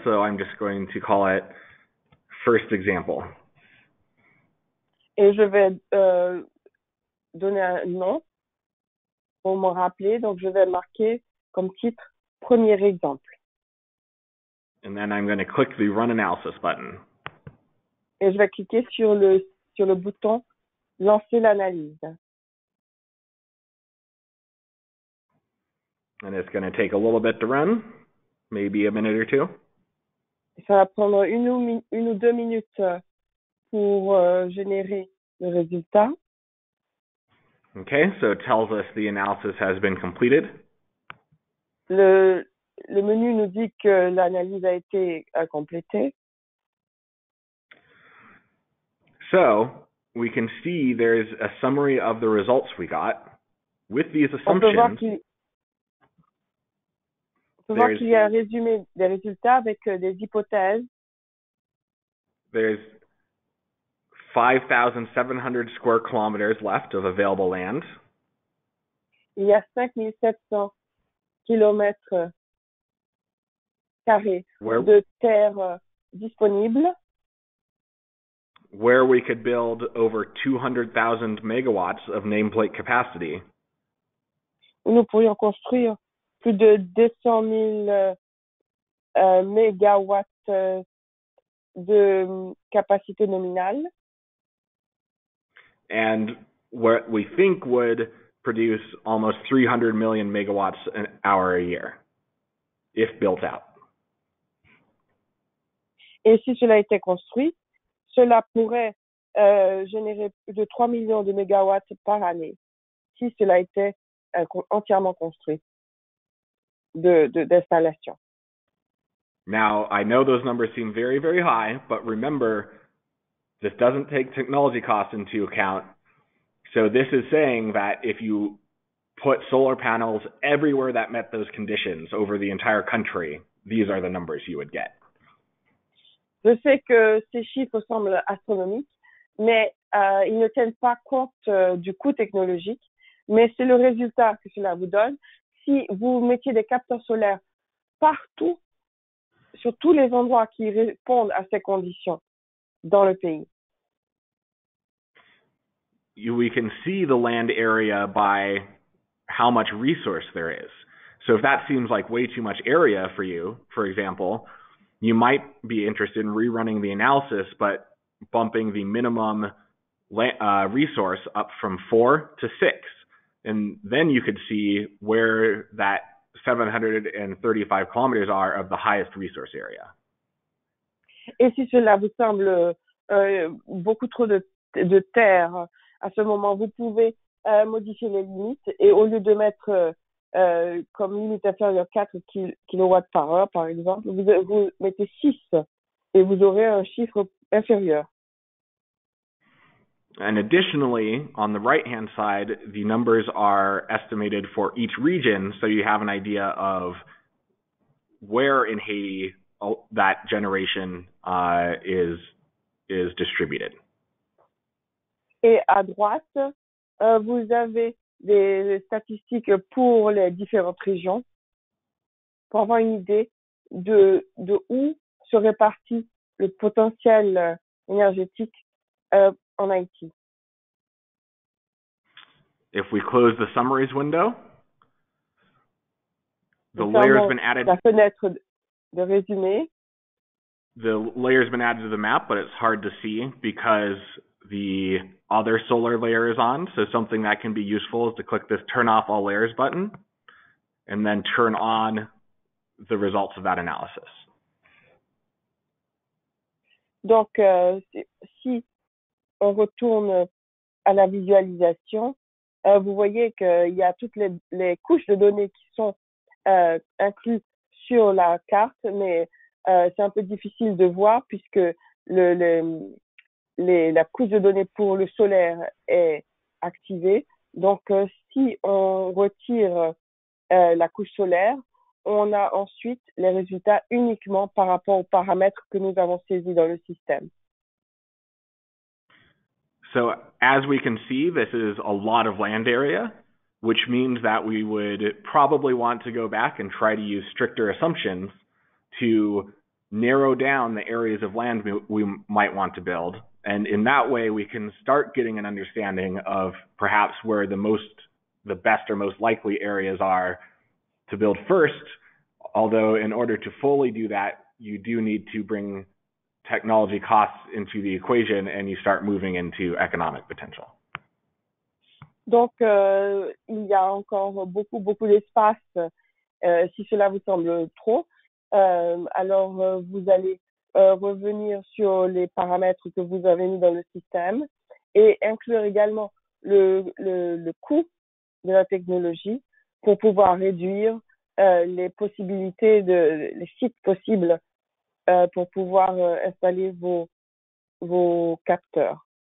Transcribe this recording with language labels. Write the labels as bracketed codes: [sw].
[en] So I'm just going to call it first example. [fr] Et je vais donner un nom pour me rappeler. Donc je vais marquer comme titre premier exemple. [en] And then I'm going to click the run analysis button. [fr] Et je vais cliquer sur le bouton lancer l'analyse. [en] And it's going to take a little bit to run, maybe a minute or two. [fr] Ça va prendre une ou deux minutes pour générer le résultat. [en] Okay, so it tells us the analysis has been completed. [fr] Le menu nous dit que l'analyse a été complétée. [en] So, we can see there is a summary of the results we got with these assumptions. [fr] On peut voir qu'il y a un résumé des résultats avec des hypothèses. [en] There's 5,700 square kilometers left of available land. [fr] Il y a 5,700 kilomètres carrés de terre disponible. [en] Where we could build over 200,000 megawatts of nameplate capacity. [fr] Nous pourrions construire plus de 200 000 mégawatts de capacité nominale. [en] And what we think would produce almost 300 million megawatts an hour a year, if built out. [fr] Et si cela était construit, cela pourrait générer plus de 3 millions de mégawatts par année, si cela était entièrement construit. D'installation. [en] Now, I know those numbers seem very, very high, but remember, this doesn't take technology costs into account. So this is saying that if you put solar panels everywhere that met those conditions over the entire country, these are the numbers you would get. [fr] Je sais que ces chiffres semblent astronomiques, mais ils ne tiennent pas compte du coût technologique, mais c'est le résultat que cela vous donne. Si vous mettiez des capteurs solaires partout, sur tous les endroits qui répondent à ces conditions dans le pays. [en] We can see the land area by how much resource there is. So if that seems like way too much area for you, for example, you might be interested in rerunning the analysis, but bumping the minimum resource up from 4 to 6. And then you could see where that 735 kilometers are of the highest resource area. [fr] Et si cela vous semble beaucoup trop de terre, à ce moment, vous pouvez modifier les limites. Et au lieu de mettre comme limite inférieure 4 kilowatts par heure, par exemple, vous mettez 6 et vous aurez un chiffre inférieur. [en] And additionally, on the right-hand side, the numbers are estimated for each region, so you have an idea of where in Haiti that generation is distributed. [fr] Et à droite, vous avez des statistiques pour les différentes régions, pour avoir une idée de où se répartit le potentiel énergétique en Haïti. [en] If we close the summaries window, the layer has been added. [fr] La fenêtre de résumé. [en] The layer has been added to the map, but it's hard to see because the other solar layer is on. So something that can be useful is to click this turn off all layers button and then turn on the results of that analysis. [fr] Donc, si on retourne à la visualisation, vous voyez qu'il y a toutes les couches de données qui sont incluses sur la carte, mais c'est un peu difficile de voir puisque la couche de données pour le solaire est activée. Donc, si on retire la couche solaire, on a ensuite les résultats uniquement par rapport aux paramètres que nous avons saisis dans le système. [en] So as we can see, this is a lot of land area, which means that we would probably want to go back and try to use stricter assumptions to narrow down the areas of land we might want to build. And in that way, we can start getting an understanding of perhaps where the best or most likely areas are to build first. Although in order to fully do that, you do need to bring technology costs into the equation and you start moving into economic potential. [fr] Donc, il y a encore beaucoup, beaucoup d'espace, si cela vous semble trop. Alors, vous allez revenir sur les paramètres que vous avez mis dans le système et inclure également le coût de la technologie pour pouvoir réduire les possibilités, les sites possibles pour pouvoir installer vos capteurs.